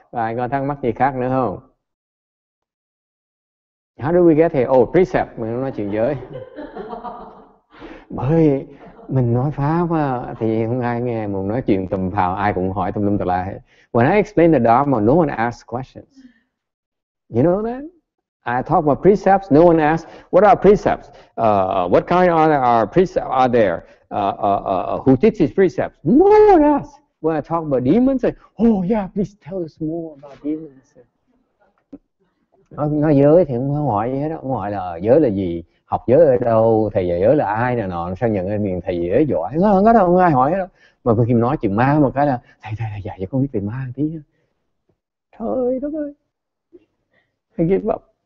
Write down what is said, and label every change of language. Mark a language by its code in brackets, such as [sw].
[vi] Bạn có thắc mắc gì khác nữa không? [en] How do we get here? Oh, precept. [vi] Mình nói chuyện giới. Bởi mình nói pháp á, thì không ai nghe, mà nói chuyện tùm phào ai cũng hỏi tùm lum tùm la hết. [en] When I explain the Dharma, no one asks questions. You know that? I talk about precepts, no one asks, what are precepts? What kind are there? Who teaches precepts? No one asks. when I talk about demons, say, oh yeah, please tell us more about demons. [vi] Nói giới thì không có hỏi gì hết đó. Không hỏi là giới là gì, học giới ở đâu, thầy dạy giới là ai nè nọ, sao nhận lên miền thầy dễ giỏi. Không có đâu, không ai hỏi hết đó. Mà khi nói chuyện ma một cái là thầy dạy cho con biết về ma một tí nha. Trời đất ơi, [en] I give up.